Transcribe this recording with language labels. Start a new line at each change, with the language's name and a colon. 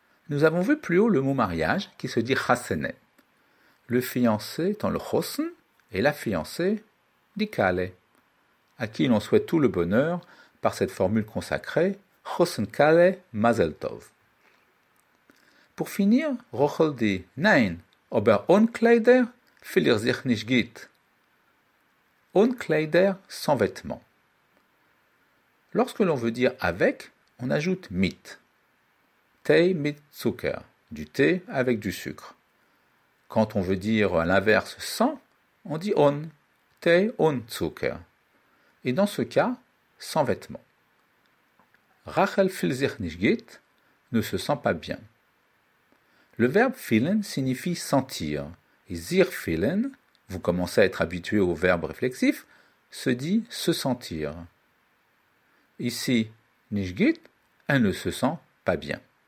French: Nous avons vu plus haut le mot mariage qui se dit Hasene. Le fiancé étant le Hosen et la fiancée die Kale. À qui l'on souhaite tout le bonheur par cette formule consacrée,
Yiddish: Hosen Kale Mazel Tov.
French: Pour finir, Rochel dit,
Yiddish: nein, aber Onkleider fühlt sich nicht gut.
French: Onkleider, sans vêtements. Lorsque l'on veut dire avec, on ajoute mit. Thé
Yiddish: mit Zucker,
French: du thé avec du sucre. Quand on veut dire à l'inverse sans, on dit on, thé
Yiddish: on Zucker.
French: Et dans ce cas, sans vêtements. Rachel
Yiddish: fühlt sich nicht gut,
French: ne se sent pas bien. Le verbe fühlen signifie sentir, et sich fühlen, vous commencez à être habitué au verbe réflexif, se dit se sentir. Ici, nicht gut, elle ne se sent pas bien.